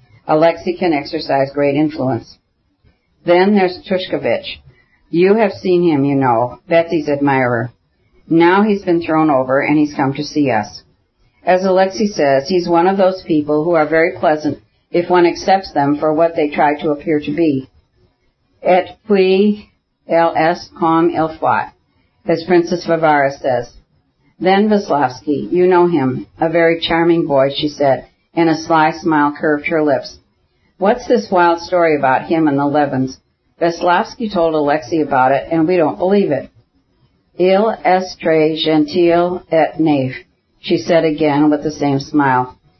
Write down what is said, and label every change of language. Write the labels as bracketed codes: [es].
[en] Alexei can exercise great influence. Then there's Tushkevich. You have seen him, you know, Betsy's admirer. Now he's been thrown over, and he's come to see us. As Alexei says, he's one of those people who are very pleasant if one accepts them for what they try to appear to be. [fr] Et puis, elle est comme il faut, [en] as Princess Varvara says. Then Veslovsky, you know him, a very charming boy," she said, and a sly smile curved her lips. "What's this wild story about him and the Levins? Veslovsky told Alexei about it, and we don't believe it." [fr] "Il est très gentil et naïf," [en] she said again with the same smile.